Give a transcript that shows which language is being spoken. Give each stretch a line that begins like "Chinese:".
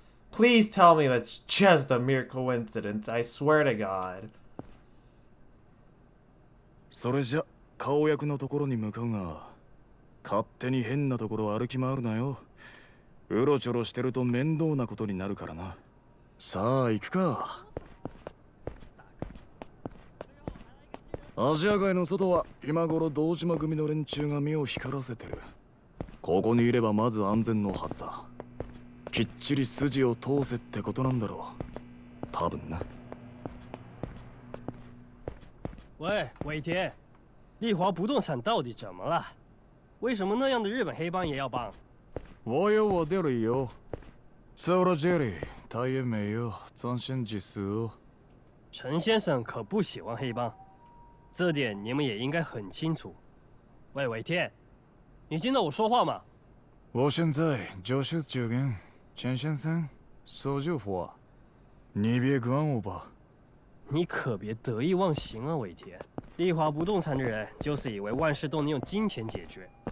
English: Please tell me that's just a mere coincidence. I swear to God.
Japanese: それじゃ、顔役のところに向かうが、勝手に変なところを歩き回るなよ。うろちょろしてると面倒なことになるからな。さあ、行くか。アジア街の外は今頃道島組の連中が目を光らせてる。ここにいればまず安全のはずだ。きっちり筋を通せってことなんだろう。多分な。
Chinese: 喂，尾田，丽华不动产到底怎么了？为什么那样的日本黑帮也要帮？我有我的理由。ソロジェリー、大変没有残心之事。陈先生可不喜欢黑帮。这点你们也应该很清楚。喂，尾田，你听到我说话吗？我现在就是这边，陈先生，说句话，你别管我吧。你可别得意忘形啊，尾田。丽华不动产的人就是以为万事都能用金钱解决。